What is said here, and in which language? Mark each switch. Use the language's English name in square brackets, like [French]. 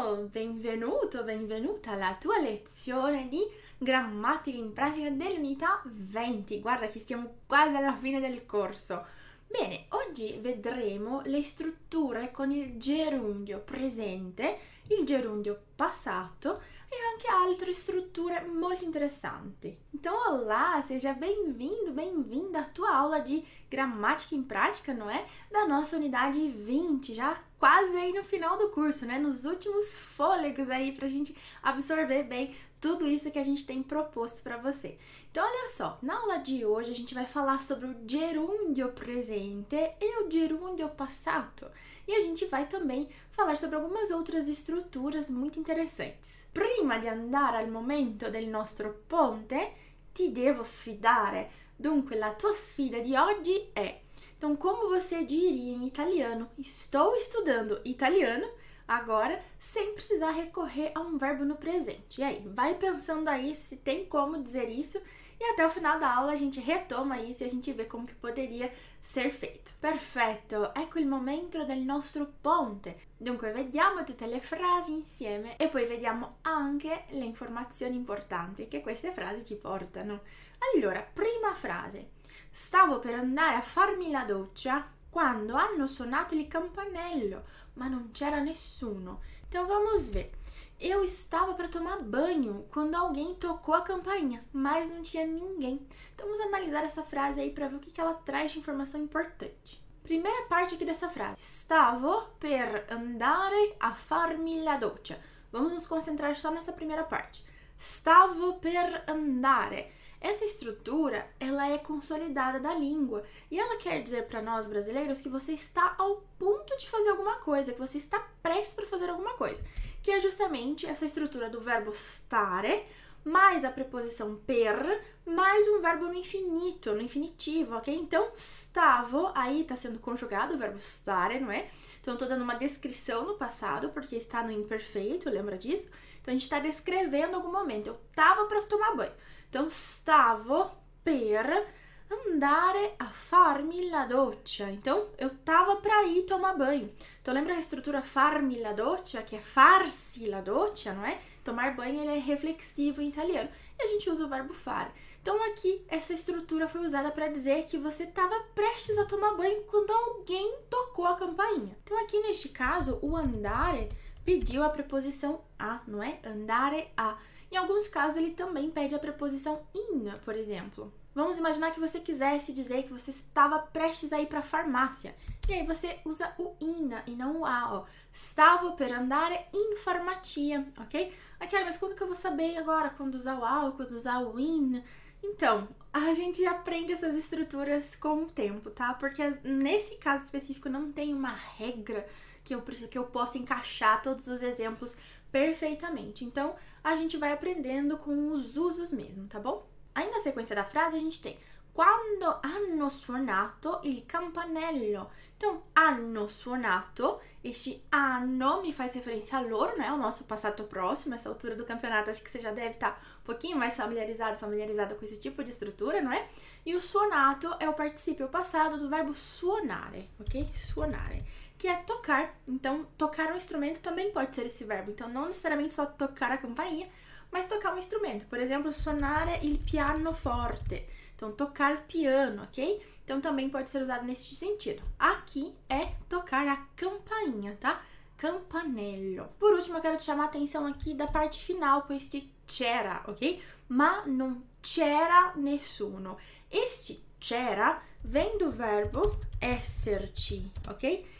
[Italian] Benvenuto, benvenuta alla tua lezione di grammatica in pratica dell'unità 20. Guarda che stiamo quasi alla fine del corso. Bene, oggi vedremo le strutture con il gerundio presente, il gerundio passato e anche altre strutture molto interessanti. [Portuguese] Então, olá, seja bem-vindo, bem-vinda à tua aula de gramática em prática, não é? Da nossa unidade 20, já quase aí no final do curso, né? Nos últimos fôlegos aí pra gente absorver bem tudo isso que a gente tem proposto para você. Então, olha só, na aula de hoje a gente vai falar sobre o gerúndio presente e o gerúndio passato. E a gente vai também falar sobre algumas outras estruturas muito interessantes. [Italian] Prima di andare al momento del nostro ponte, ti devo sfidare. Dunque, la tua sfida di oggi è... [Portuguese] Então, como você diria em italiano, estou estudando italiano agora sem precisar recorrer a um verbo no presente. E aí, vai pensando aí se tem como dizer isso e até o final da aula a gente retoma isso e a gente vê como que poderia ser feito. [Italian] Perfetto, ecco il momento del nostro ponte. Dunque, vediamo tutte le frasi insieme e poi vediamo anche le informazioni importanti che queste frasi ci portano. Allora, prima frase. Stavo per andare a farmi la doccia quando hanno suonato il campanello, ma non c'era nessuno. [Portuguese] Então vamos ver. Eu estava para tomar banho quando alguém tocou a campainha, mas não tinha ninguém. Então vamos analisar essa frase aí para ver o que ela traz de informação importante. Primeira parte aqui dessa frase. [Italian] Stavo per andare a farmi la doccia. [Portuguese] Vamos nos concentrar só nessa primeira parte. [Italian] Stavo per andare. [Portuguese] Essa estrutura, ela é consolidada da língua. E ela quer dizer para nós brasileiros que você está ao ponto de fazer alguma coisa, que você está prestes para fazer alguma coisa. Que é justamente essa estrutura do verbo stare, mais a preposição per, mais um verbo no infinito, no infinitivo, ok? Então, stavo, aí está sendo conjugado o verbo stare, não é? Então, estou dando uma descrição no passado, porque está no imperfeito, lembra disso? Então, a gente está descrevendo algum momento. Eu tava para tomar banho. [Italian] Então, stavo per andare a farmi la doccia. [Portuguese] Então, eu tava para ir tomar banho. Então, lembra a estrutura [Italian] farmi la doccia, [Portuguese] que é [Italian] farsi la doccia, [Portuguese] não é? Tomar banho, ele é reflexivo em italiano. E a gente usa o verbo fare. Então, aqui, essa estrutura foi usada para dizer que você estava prestes a tomar banho quando alguém tocou a campainha. Então, aqui, neste caso, o andare pediu a preposição a, não é? Andare a. Em alguns casos, ele também pede a preposição in, por exemplo. Vamos imaginar que você quisesse dizer que você estava prestes a ir para a farmácia. E aí você usa o in e não o a, ó. [Italian] Stavo per andare in farmacia, ok? [Portuguese] Ok, mas como que eu vou saber agora quando usar o a ou quando usar o in? Então, a gente aprende essas estruturas com o tempo, tá? Porque nesse caso específico não tem uma regra que eu possa encaixar todos os exemplos perfeitamente. Então, a gente vai aprendendo com os usos mesmo, tá bom? Aí na sequência da frase a gente tem quando [Italian] hanno suonato il campanello. [Portuguese] Então, hanno suonato, este hanno me faz referência a loro, né? O nosso passato próximo, essa altura do campeonato, acho que você já deve estar um pouquinho mais familiarizado com esse tipo de estrutura, não é? E o suonato é o particípio passado do verbo suonare, ok? Suonare. Que é tocar. Então, tocar um instrumento também pode ser esse verbo. Então, não necessariamente só tocar a campainha, mas tocar um instrumento. Por exemplo, suonare il pianoforte. Então, tocar piano, ok? Então, também pode ser usado nesse sentido. Aqui é tocar a campainha, tá? Campanello. Por último, eu quero te chamar a atenção aqui da parte final com este c'era, ok? [Italian] Ma non c'era nessuno. [Portuguese] Este c'era vem do verbo esserci, ok?